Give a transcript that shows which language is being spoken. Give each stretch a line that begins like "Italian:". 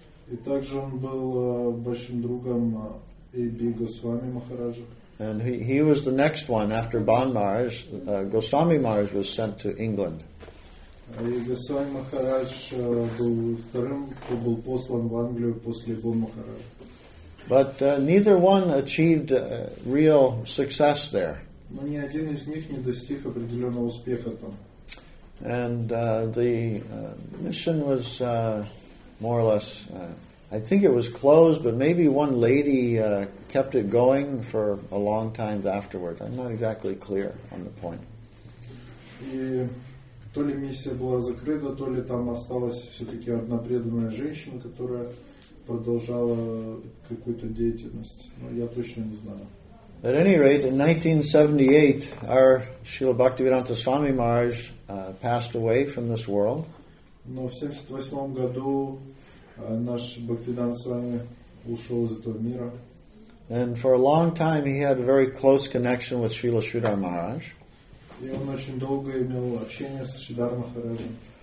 Russian: И также он был большим другом A.B.
English: Goswami Maharaj. And he was the next one after Ban Maharaj. Goswami Maharaj was sent to England. Goswami Maharaj was the second who was sent to England after Ban Maharaj. But neither one achieved real success there.
Russian: Но ни один из них не достиг определенного успеха там.
English: And the mission was more or less, I think it was closed, but maybe one lady kept it going for a long time afterward. I'm not exactly clear on the point.
Russian: И то ли миссия была закрыта, то ли там осталась все-таки одна преданная женщина, которая продолжала какую-то деятельность. Но я точно не знаю.
English: At any rate, in 1978, our Srila Bhaktivedanta Swami Maharaj passed away from this world.
Russian: Но в 78 году наш Бхактивиданта Свами ушел из этого мира.
English: And for a long time, he had a very close connection with Srila Sridhar Maharaj.
Russian: И он очень долго имел общение с Шридхар Махараджем.